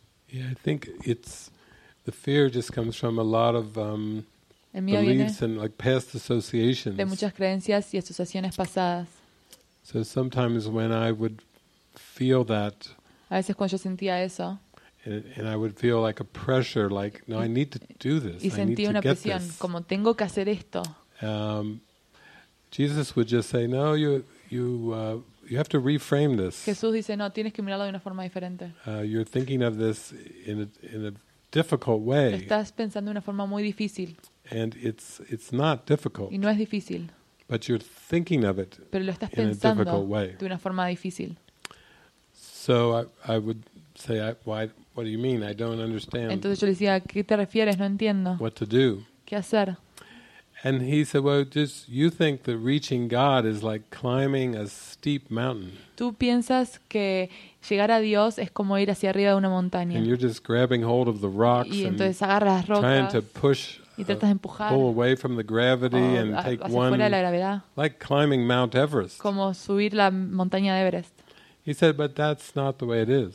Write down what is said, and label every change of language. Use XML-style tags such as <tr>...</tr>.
<en>Yeah, I think it's the fear just comes from a lot of beliefs and like past associations.</en> <es>De muchas creencias y asociaciones pasadas.</es> <en>So sometimes when I would feel that,</en> <es>a veces cuando yo sentía eso,</es> <en>and I would feel like a pressure, like no, I need to do this.</en> <es>Y sentía una presión como tengo que hacer esto.</es> <en>Jesus would just say, "No, you have to reframe this."</en> <es>Jesús dice, "No, tienes que mirarlo de una forma diferente."</es> <en>You're thinking of this in a difficult way.</en> <es>Estás pensando de una forma muy difícil.</es> <en>And it's not difficult.</en> <es>Y no es difícil.</es> <en>But you're thinking of it</en> <es>pero lo estás</es> <en>in</en> <es>pensando</es> <en>a difficult way.</en> <es>De una forma difícil.</es> <en>So I would say, "Why? What do you mean? I don't understand."</en> <es>Entonces yo le decía, ¿qué te refieres? No entiendo.</es> <en>What to do?</en> <es>¿Qué hacer?</es> <en>And he said, "Well, just you think that reaching God is like climbing a steep mountain."</en> <es>Tú piensas que llegar a Dios es como ir hacia arriba de una montaña.</es> <en>And you're just grabbing hold of the rocks</en> <es>y entonces agarras las rocas,</es> <en>trying to push</en> <es>y tratas de empujar,</es> <en>pull away from the gravity and take one</en> <es>fuera de la gravedad,</es> <en>like climbing Mount Everest.</en> <es>Como subir la montaña de Everest.</es> <en>He said, "But that's not the way it is."</en>